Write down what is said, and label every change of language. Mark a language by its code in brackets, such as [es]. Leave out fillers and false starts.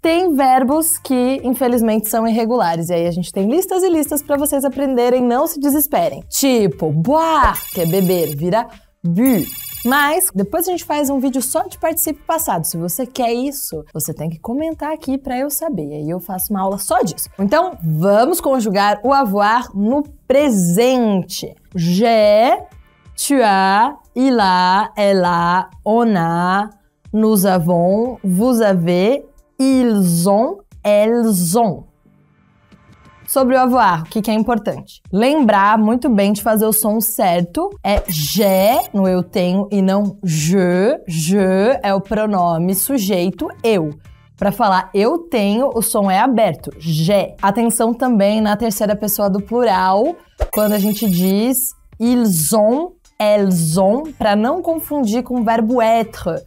[pt] Tem verbos que, infelizmente, são irregulares. E aí a gente tem listas e listas para vocês aprenderem, não se desesperem. Tipo, boire, que é beber, vira bu. Mas depois a gente faz um vídeo só de participe passado. Se você quer isso, você tem que comentar aqui para eu saber. Aí eu faço uma aula só disso. Então, vamos conjugar o avoir no presente. [fr] J'ai, tu as, il a, elle a, on a, nous avons, vous avez, ils ont, elles ont. [pt] Sobre o avoir, o que é importante? Lembrar muito bem de fazer o som certo. É je, no eu tenho, e não je. Je é o pronome sujeito, eu. Para falar eu tenho, o som é aberto, je. Atenção também na terceira pessoa do plural, quando a gente diz [fr] ils ont, elles ont, [pt] para não confundir com o verbo être.